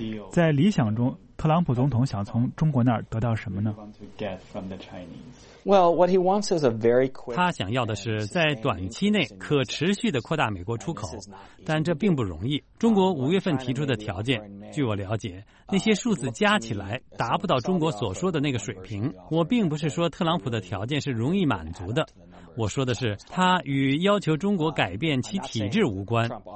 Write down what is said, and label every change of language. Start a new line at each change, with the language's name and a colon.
Chinese: 在理想中，特朗普总统想从中国那儿得到什么呢？
English: Well, what he wants is a very quick.
Chinese: 他想要的是在短期内可持续地扩大美国出口，但这并不容易。中国五月份提出的条件，据我了解，那些数字加起来达不到中国所说的那个水平。我并不是说特朗普的条件是容易满足的，我说的是他与要求中国改变其体制无关。